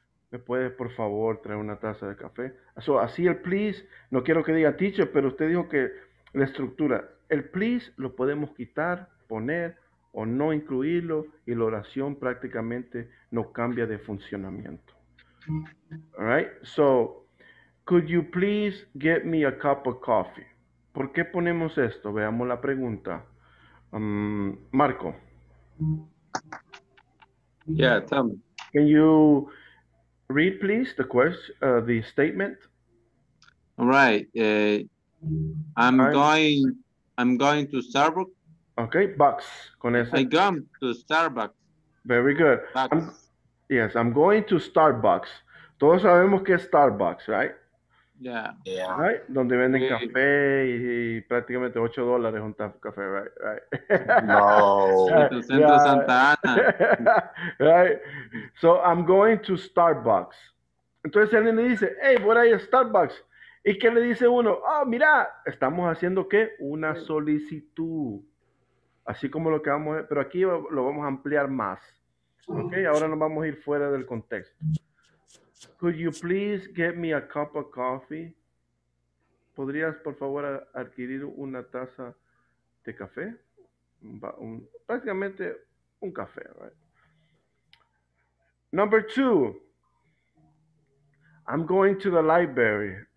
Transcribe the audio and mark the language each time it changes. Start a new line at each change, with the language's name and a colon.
Spanish: ¿Me puedes, por favor, traer una taza de café? So, así el please, no quiero que diga teacher, pero usted dijo que la estructura, el please lo podemos quitar, poner o no incluirlo y la oración prácticamente no cambia de funcionamiento.
English: All right, so could you please get me a cup of coffee?
Spanish: ¿Por qué ponemos esto? Veamos la pregunta. Marco.
English: Yeah, Tom. Can you read, please, the question, the statement? All right. I'm going to Starbucks.
Spanish: Okay, Bucks. Con ese.
English: I come to Starbucks. Very good. I'm going to Starbucks.
Spanish: Todos sabemos que es Starbucks, right?
English: Yeah.
Spanish: Right? Donde venden café y prácticamente $8 un café, right? Right.
English: No. Yeah. Santa Ana. Right? So I'm going to Starbucks.
Spanish: Entonces alguien le dice, hey, voy a ir a Starbucks. ¿Y qué le dice uno? Oh, mira, estamos haciendo ¿qué? Una solicitud. Así como lo que vamos a hacer, pero aquí lo vamos a ampliar más. Ok, ahora nos vamos a ir fuera del contexto.
English: Could you please get me a cup of coffee?
Spanish: ¿Podrías, por favor, adquirir una taza de café? Prácticamente un café, right? Number two.
English: I'm going to the library.